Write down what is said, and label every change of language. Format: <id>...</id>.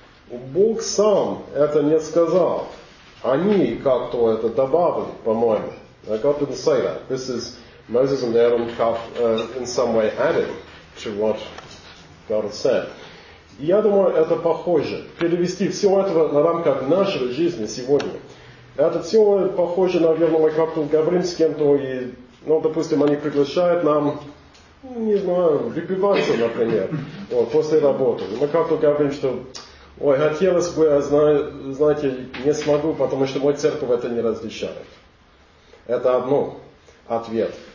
<ru>Бог сам это не сказал. Они как-то это добавили, по-моему.</ru> <en>God didn't say that. This is Moses and Aaron in some way added to what God has said.</en> <ru>Я думаю, это похоже. Перевести все это на рамках нашей жизни сегодня. Это все похоже, наверное, мы как-то говорим с кем-то, и, ну, допустим, они приглашают нам, не знаю, выпиваться, например, вот, после работы. Мы как-то говорим, что, ой, хотелось бы, а знаете, не смогу, потому что мой церковь это не разрешает. Это одно. Ответ.</ru>